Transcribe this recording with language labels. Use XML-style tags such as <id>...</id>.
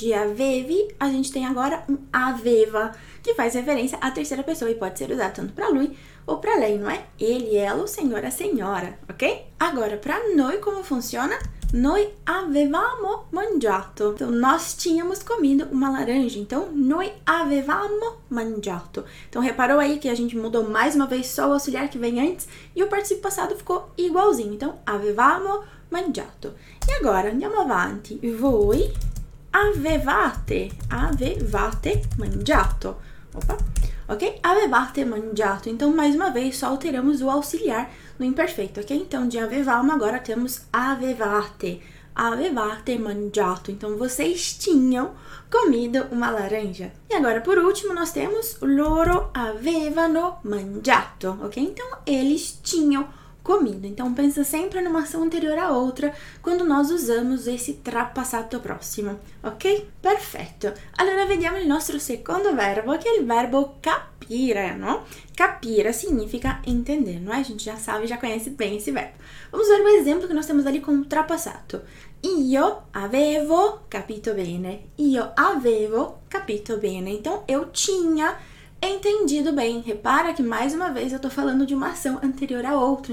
<pt>De avevi, a gente tem agora um aveva, que faz referência à terceira pessoa e pode ser usado tanto para lui ou para lei, não é? Ele, ela, o senhor, a senhora, ok? Agora, para noi, como funciona?</pt> <it>Noi avevamo mangiato.</it> <pt>Então, nós tínhamos comido uma laranja.</pt> <it>Então, noi avevamo mangiato.</it> <pt>Então, reparou aí que a gente mudou mais uma vez só o auxiliar que vem antes e o participio passado ficou igualzinho.</pt> <it>Então, avevamo mangiato.</it> <pt>E agora,</pt> <it>andiamo avanti. Voi avevate mangiato. Opa! Ok? Avevate mangiato.</it> <pt>Então, mais uma vez, só alteramos o auxiliar no imperfeito, ok? Então, de avevamo, agora temos avevate.</pt> <it>Avevate mangiato.</it> <pt>Então, vocês tinham comido uma laranja. E agora, por último, nós temos</pt> <it>loro avevano mangiato,</it> <pt>ok? Então, eles tinham comido. Então, pensa sempre numa ação anterior à outra quando nós usamos esse trapassato próximo, ok? Perfeito.</pt> <it>Allora, vediamo il nostro secondo verbo, che è il verbo capire, no?</it> <pt>Capire significa entender, não é? A gente já sabe, já conhece bem esse verbo. Vamos ver o exemplo que nós temos ali com o trapassato.</pt> <it>Io avevo capito bene. Io avevo capito bene.</it> <pt>Então, eu tinha entendido bem. Repara que mais uma vez eu estou falando de uma ação anterior à outra.</pt>